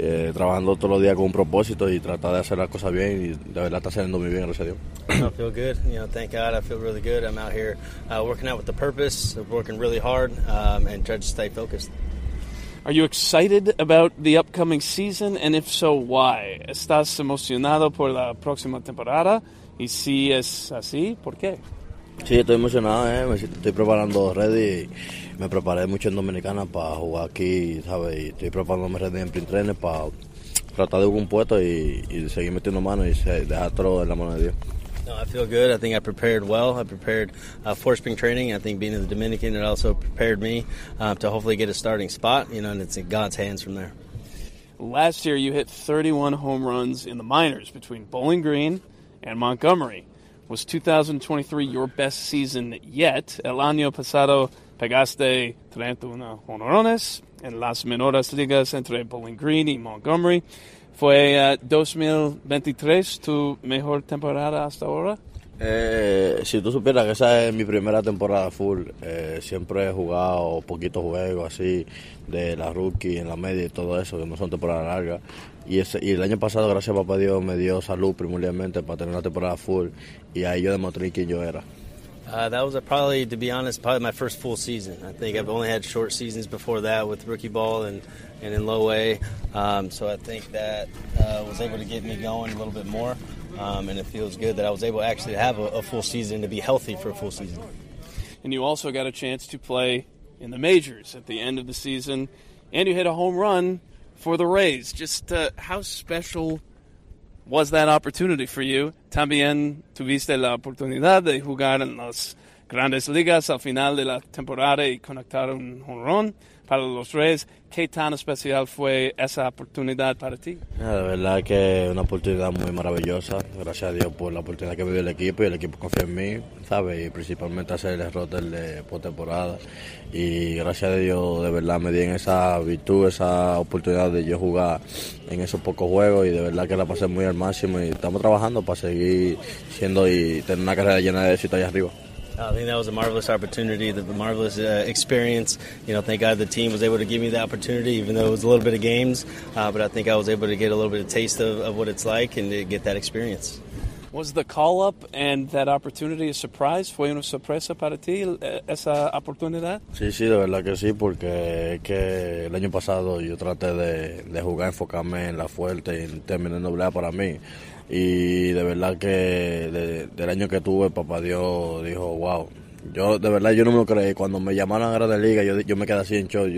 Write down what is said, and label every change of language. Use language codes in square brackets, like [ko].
[es] Trabajando todos los días con un propósito y tratar de hacer las cosas bien. Y la verdad está saliendo muy bien, gracias a Dios. [en] I feel good. You know, thank God. I feel really good. I'm out here working out with the purpose of working really hard and try to stay focused. Are you excited about the upcoming season? And if so, why? [es] ¿Estás emocionado por la próxima temporada? Y si es así, ¿por qué? Sí, estoy emocionado, estoy preparando ready. Me preparé mucho en Dominicana para jugar aquí, ¿sabes? Y estoy preparándome ready en Printrenes para tratar de jugar un puesto y seguir metiendo mano y dejar todo en la mano de Dios. [en] No, I feel good. I think I prepared well. I prepared for spring training. I think being in the Dominican, it also prepared me to hopefully get a starting spot, you know, and it's in God's hands from there. Last year, you hit 31 home runs in the minors between Bowling Green and Montgomery. Was 2023 your best season yet? [es] El año pasado pegaste 31 honrones en las menores ligas entre Bowling Green y Montgomery. ¿Fue 2023 tu mejor temporada hasta ahora? Si tú supieras que esa es mi primera temporada full, siempre he jugado poquitos juegos así, de la rookie en la media y todo eso, que no son temporadas largas. Y el año pasado, gracias a papá Dios, me dio salud primordialmente para tener una temporada full, y ahí yo demostré quién yo era. [en] That was probably, to be honest, probably my first full season. I think I've only had short seasons before that with rookie ball and in low A. So I think that was able to get me going a little bit more. And it feels good that I was able actually to have a full season, to be healthy for a full season. And you also got a chance to play in the majors at the end of the season. And you hit a home run for the Rays. Just how special was that opportunity for you? [es] También tuviste la oportunidad de jugar en las Grandes Ligas al final de la temporada y conectar un jonrón para los Rays. ¿Qué tan especial fue esa oportunidad para ti? La verdad que una oportunidad muy maravillosa. Gracias a Dios por la oportunidad que me dio el equipo y el equipo confía en mí, ¿sabes? Y principalmente hacer el error de postemporada. Y gracias a Dios, de verdad, me di en esa virtud, esa oportunidad de yo jugar en esos pocos juegos. Y de verdad que la pasé muy al máximo. Y estamos trabajando para seguir siendo y tener una carrera llena de éxito allá arriba. [en] I think that was a marvelous opportunity, the marvelous experience. You know, thank God the team was able to give me the opportunity, even though it was a little bit of games. But I think I was able to get a little bit of taste of what it's like and to get that experience. Was the call-up and that opportunity a surprise? [es] ¿Fue una sorpresa para ti esa oportunidad? Sí, sí, de verdad que sí, porque es que el año pasado yo traté de jugar, enfocarme en la fuerte y terminé en doble A para mí. Y de verdad que del año que tuve, papá Dios dijo, wow. Yo de verdad, yo no me lo creí. Cuando me llamaron a Grandes Ligas, yo me quedé así en shock.